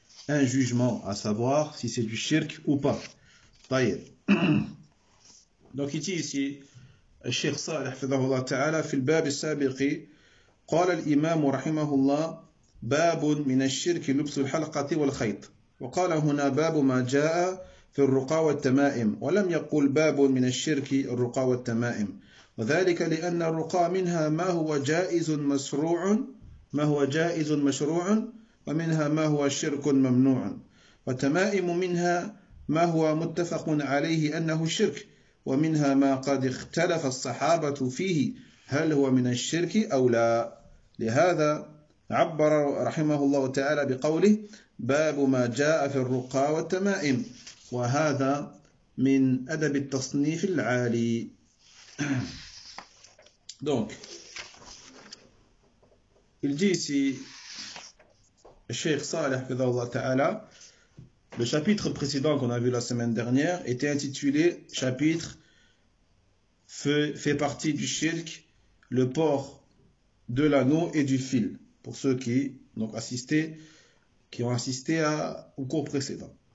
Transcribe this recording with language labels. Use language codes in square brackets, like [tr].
[fr] un jugement à savoir si c'est du shirk ou pas. Donc ici, [ar] الشيخ صالح حفظه الله تعالى في الباب السابق قال الإمام رحمه الله باب من الشرك لبس الحلقة والخيط وقال هنا باب ما جاء في الرقى والتمائم ولم يقل باب من الشرك الرقى والتمائم وذلك لأن الرقى منها ما هو جائز مشروع ما هو جائز مشروع ومنها ما هو شرك ممنوع وتمائم منها ما هو متفق عليه أنه شرك ومنها ما قد اختلف الصحابة فيه هل هو من الشرك أو لا لهذا عبر رحمه الله تعالى بقوله باب ما جاء في الرقى والتمائم وهذا من أدب التصنيف العالي. [fr] Donc, il dit ici, Cheikh Saleh, que Allah Ta'ala, le chapitre précédent qu'on a vu la semaine dernière était intitulé chapitre fait partie du shirk, le port de l'anneau et du fil, pour ceux qui, donc, qui ont assisté au cours précédent.